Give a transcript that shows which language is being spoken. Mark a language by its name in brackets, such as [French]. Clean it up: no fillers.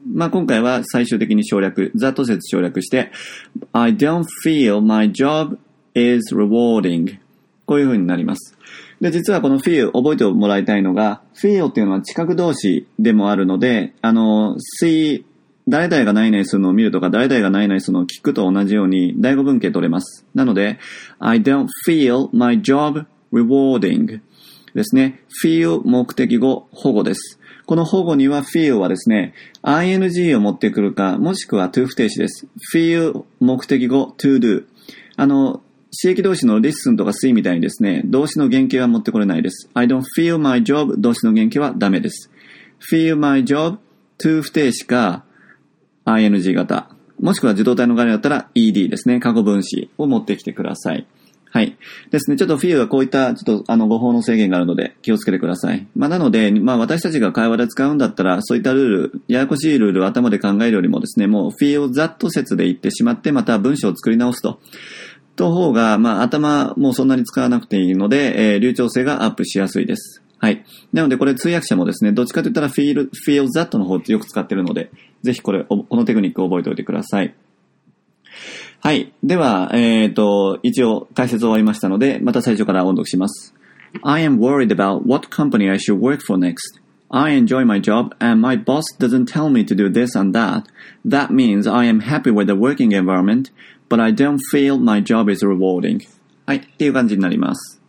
[Japanese] まあ、今回は最終的に省略、that 説省略して、 [English] I don't feel my job is rewarding [Japanese] こういうふうになります。で、実はこの feel 覚えてもらいたいのが、feel っていうのは知覚動詞でもあるので、see、誰々が何々するのを見るとか、誰々が何々するのを聞くと同じように、第五文型取れます。 [English] なので、I don't feel my job rewarding [Japanese] ですね。 feel 目的語、保護です。この保護には feel はですね、ing を持ってくるか、もしくは to 不定詞です。 [English] feel 目的語、to do。 [Japanese] 詞役動詞の listen とか see みたいにですね、動詞の原型は持ってこれないです。 [English] I don't feel my job [Japanese] 動詞の原型はダメです。 [English] feel my job to 不定詞か ing 型。 [Japanese] もしくは受動態の概念だったら ed ですね、過去分詞を持ってきてください。はい。ですね、ちょっと feel はこういったちょっと語法の制限があるので気をつけてください。まあなので、まあ私たちが会話で使うんだったらそういったルール、ややこしいルールを頭で考えるよりもですね、もう feel that 説で言ってしまってまた文章を作り直すと。と方が、まあ、頭もそんなに使わなくていいので、流暢性がアップしやすいです。はい。なので、これ通訳者もですね、どっちかと言ったら feel that の方ってよく使ってるので、ぜひこのテクニックを覚えておいてください。はい。では、一応解説終わりましたので、また最初から音読します。 [English] I am worried about what company I should work for next. I enjoy my job and my boss doesn't tell me to do this and that. That means I am happy with the working environment.But I don't feel my job is rewarding. [Japanese] はい、っていう感じになります。